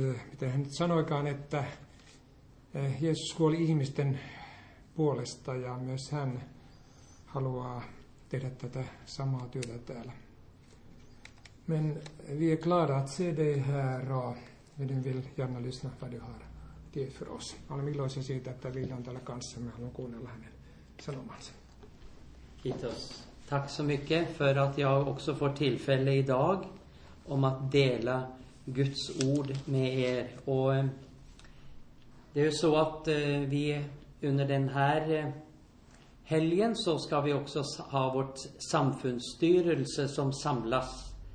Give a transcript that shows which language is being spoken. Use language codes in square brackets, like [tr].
[fi] Miten hän nyt sanoikaan, että Jeesus kuoli ihmisten puolesta ja myös hän haluaa tehdä tätä samaa työtä täällä. [sv] Men vi är glada att se dig här och vi vill gärna lyssna vad du har till för oss. [fi] Olen iloisen siitä, että Ville on täällä kanssa. Me haluan kuunnella hänen sanomansa. Kiitos. [sv] Tack så mycket för att jag också får tillfälle idag om att dela Guds ord med er. Och det är ju så att vi under den här helgen så ska vi också ha vårt samfundsstyrelse som samlas.